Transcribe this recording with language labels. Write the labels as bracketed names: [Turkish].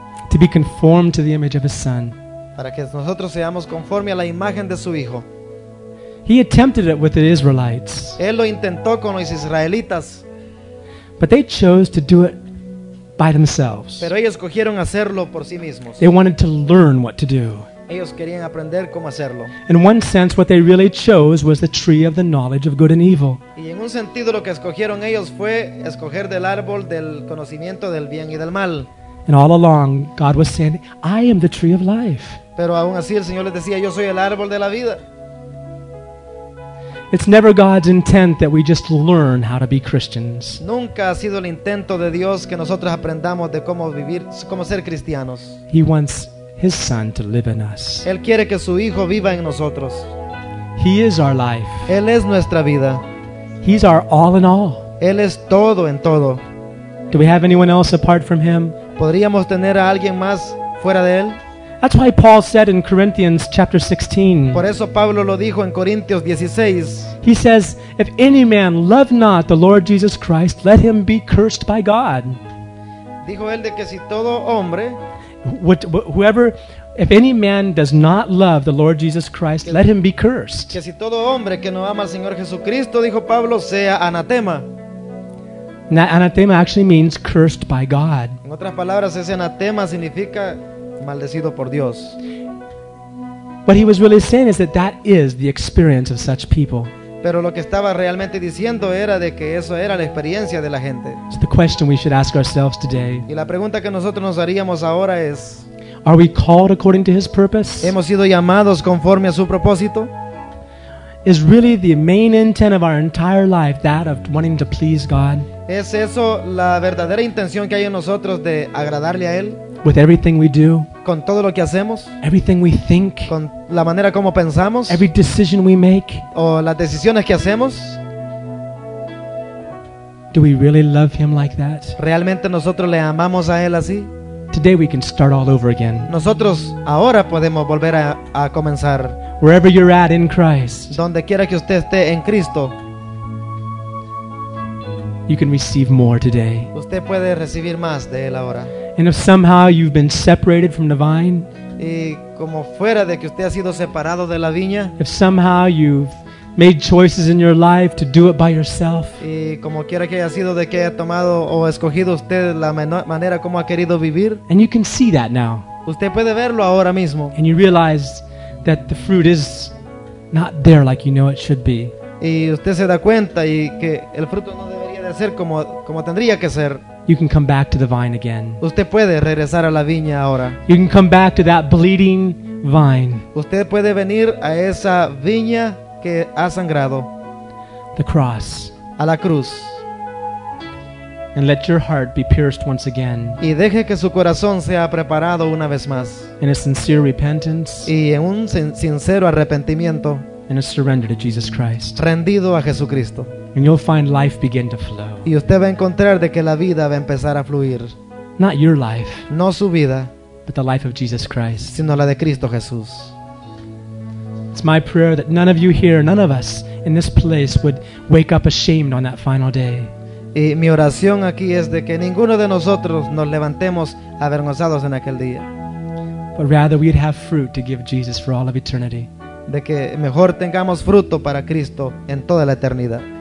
[English] To be conformed to the image of his son. [Spanish] Para que nosotros seamos conforme a la imagen de su hijo. [English] He attempted it with the Israelites. [Spanish] Él lo intentó con los israelitas. [English] But they chose to do it by themselves. [Spanish] Pero ellos escogieron hacerlo por sí mismos. [English] They wanted to learn what to do. [Spanish] Ellos querían aprender cómo hacerlo. [English] In one sense, what they really chose was the tree of the knowledge of good and evil. [Spanish] Y en un sentido, lo que escogieron ellos fue escoger del árbol del conocimiento del bien y del mal. [English] And all along, God was saying, "I am the tree of life." [Spanish] Pero aún así, el Señor les decía, "Yo soy el árbol de la vida." [English] It's never God's intent that we just learn how to be Christians. [Spanish] Nunca ha sido el intento de Dios que nosotros aprendamos de cómo vivir, cómo ser cristianos. [English] He wants His son to live in us. [Spanish] Él quiere que su hijo viva en nosotros. [English] He is our life. [Spanish] Él es nuestra vida. [English] He's our all in all. [Spanish] Él es todo en todo. [English] Do we have anyone else apart from him? [Spanish] ¿Podríamos tener a alguien más fuera de él? [English] That's why Paul said in Corinthians chapter 16. [Spanish] Por eso Pablo lo dijo en Corintios 16. [English] He says, "If any man love not the Lord Jesus Christ, let him be cursed by God." [Spanish] Dijo él de que si todo hombre, [English] whoever, if any man does not love the Lord Jesus Christ, let him be cursed. [Spanish] Que si todo hombre que no ama al Señor Jesucristo, dijo Pablo, sea anatema. [English] Now, anatema actually means cursed by God. [Spanish] En otras palabras, ese anatema significa maldecido por Dios. [English] What he was really saying is that that is the experience of such people. [Spanish] Pero lo que estaba realmente diciendo era de que eso era la experiencia de la gente. [English] So the question we should ask ourselves today, [Spanish] y la pregunta que nosotros nos haríamos ahora es, [English] are we called according to his purpose? [Spanish] ¿Hemos sido llamados conforme a su propósito? [English] Is really the main intent of our entire life that of wanting to please God? [Spanish] ¿Es eso la verdadera intención que hay en nosotros de agradarle a él? [English] With everything we do, [Spanish] con todo lo que hacemos, [English] everything we think, [Spanish] con la manera como pensamos, [English] every decision we make, [Spanish] o las decisiones que hacemos, [English] do we really love him like that? [Spanish] ¿Realmente nosotros le amamos a él así? [English] Today we can start all over again. [Spanish] Nosotros ahora podemos volver a comenzar. [English] Wherever you're at in Christ, [Spanish] donde quiera que usted esté en Cristo, [English] you can receive more today. [Spanish] Usted puede recibir más de él ahora. [English] And if somehow you've been separated from the vine, [Spanish] y como fuera de que usted ha sido separado de la viña, [English] if somehow you've made choices in your life to do it by yourself, [Spanish] y como quiera que haya sido de que haya tomado o escogido usted la manera como ha querido vivir, [English] and you can see that now, [Spanish] usted puede verlo ahora mismo, [English] and you realize that the fruit is not there like you know it should be, [Spanish] y usted se da cuenta y que el fruto no debería de ser como tendría que ser, [English] you can come back to the vine again. [Spanish] Usted puede regresar a la viña ahora. [English] You can come back to that bleeding vine. [Spanish] Usted puede venir a esa viña que ha sangrado. [English] The cross. [Spanish] A la cruz. [English] And let your heart be pierced once again. [Spanish] Y deje que su corazón sea preparado una vez más. [English] In a sincere repentance. [Spanish] Y en un sincero arrepentimiento. [English] And a surrender to Jesus Christ. [Spanish] Rendido a Jesucristo. [English] And you'll find life begin to flow. [Spanish] Y usted va a encontrar de que la vida va a empezar a fluir. [English] Not your life. [Spanish] No su vida. [English] But the life of Jesus Christ. [Spanish] Sino la de Cristo Jesús. [English] It's my prayer that none of you here, none of us in this place would wake up ashamed on that final day. [Spanish] Y mi oración aquí es de que ninguno de nosotros nos levantemos avergonzados en aquel día. [English] But rather we'd have fruit to give Jesus for all of eternity. [Spanish] De que mejor tengamos fruto para Cristo en toda la eternidad.